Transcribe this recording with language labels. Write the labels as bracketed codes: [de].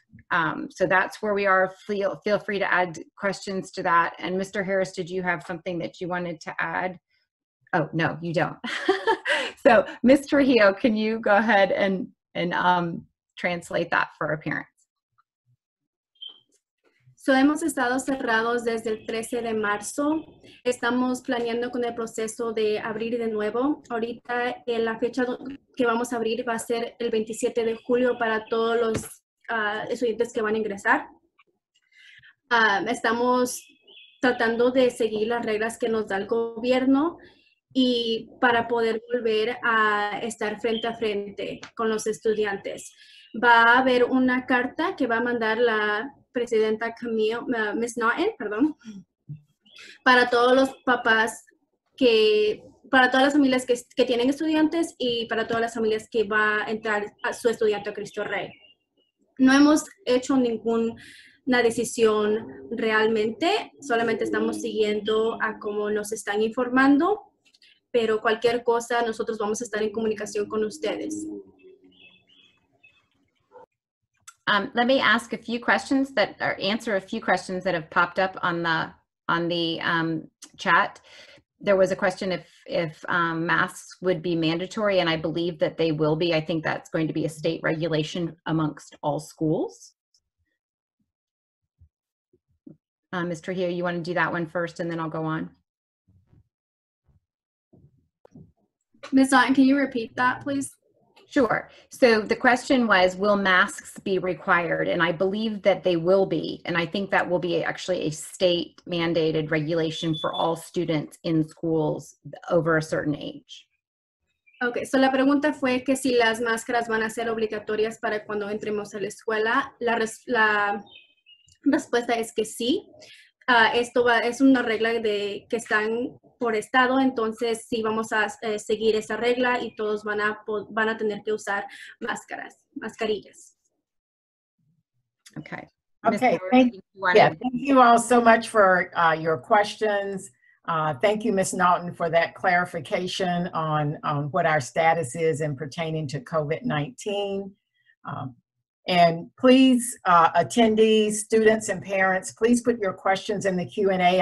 [en] So that's where we are. Feel free to add questions to that. And Mr. Harris, did you have something that you wanted to add? Oh, no, you don't. So Ms. Trujillo, can you go ahead and translate that for our parents? [es] So hemos estado cerrados desde el 13 de marzo. Estamos planeando con el proceso de abrir de nuevo. Ahorita la fecha que vamos a abrir va a ser el 27 de julio para todos los estudiantes que van a ingresar. Estamos tratando de seguir las reglas que nos da el gobierno y para poder volver a estar frente a frente con los estudiantes. Va a haber una carta que va a mandar la presidenta Camille, Ms. Naughton, perdón, para todos los papás que, para todas las familias que tienen estudiantes y para todas las familias que va a entrar a su estudiante a Cristo Rey. No hemos hecho ninguna decisión realmente, solamente estamos siguiendo a cómo nos están informando, pero cualquier cosa nosotros vamos a estar en comunicación con ustedes. [en] Let me ask a few questions that are answer a few questions that have popped up on the chat. There was a question if masks would be mandatory, and I believe that they will be. I think that's going to be a state regulation amongst all schools. Ms. Trujillo, you want to do that one first, and then I'll go on. Ms. Naughton, can you repeat that, please? Sure. So the question was, will masks be required? And I believe that they will be. And I think that will be actually a state mandated regulation for all students in schools over a certain age. Okay. [es] So la pregunta fue que si las máscaras van a ser obligatorias para cuando entremos a la escuela. La respuesta es que sí. Esto va, es una regla de que están por estado, entonces sí vamos a seguir esa regla y todos van a tener que usar máscaras, mascarillas. [en] Okay. Okay. Thank you all so much for your questions. Thank you, Ms. Naughton, for that clarification on what our status is in pertaining to COVID-19. And please, attendees, students, and parents, please put your questions in the Q&A.